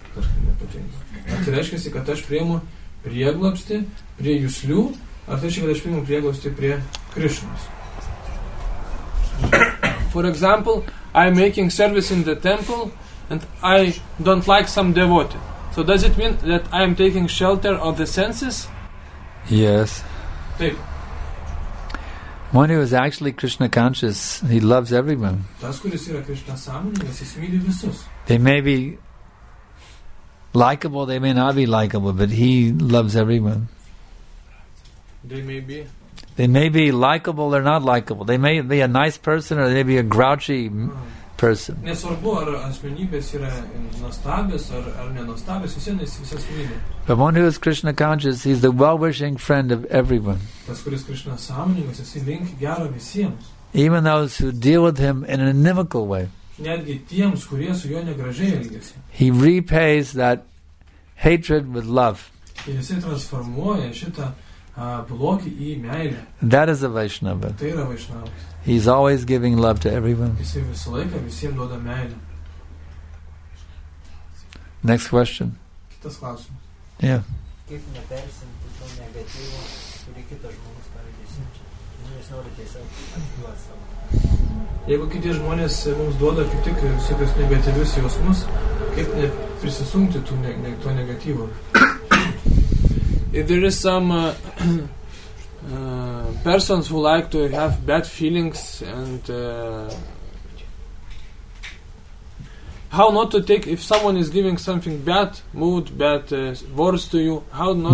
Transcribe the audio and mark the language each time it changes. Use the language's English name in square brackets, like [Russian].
[Lithuanian] Ar tai reiškia, kad aš priimu prieglobstį prie juslių, ar tai reiškia, kad aš priimu prieglobstį prie Krišnos? [English] For example, I'm making service in the temple and I don't like some devotee. So does it mean that I'm taking shelter of the senses? Yes. [Lithuanian] Taip. [English] One who is actually Krishna conscious, he loves everyone. [Lithuanian] Tas, kuris yra Krishna sąmoningas, jis myli visus. [English] They may be likeable, they may not be likeable, but he loves everyone. They may be likeable or not likeable. They may be a nice person or they may be a grouchy person. [Lithuanian] Nesvarbu, ar asmenybės yra nuostabės ar nenuostabės, visas myli. [English] But one who is Krishna conscious, he's the well-wishing friend of everyone. [Lithuanian] Tas, kuris Krishna sąmoningas, jis link gero visiems. [English] Even those who deal with him in an inimical way. [Lithuanian] Netgi tiems, kurie su juo negražiai elgiasi. [English] He repays that hatred with love. [Lithuanian] Ir jis transformuoja šitą blogį į meilę. [English] That is a Vaishnava. [Lithuanian] Tai yra Vaishnava. [English] He's always giving love to everyone. [Lithuanian] Jis visą laiką visiems duoda meilę. [English] Next question. [Lithuanian] Kitas klausimas. [English] Yeah. [Lithuanian] Kaip nepersimti to negatyvo, kurį kitas žmogus pavyzdžiui siunčia? Jis nori tiesiog atiduoti savo. Jeigu kiti žmonės mums duoda kaip tik visokius negatyvius jausmus, kaip neprisisungti to negatyvo? [English] If there is some persons who like to have bad feelings and how not to take, if someone is giving something bad mood, bad words to you, how not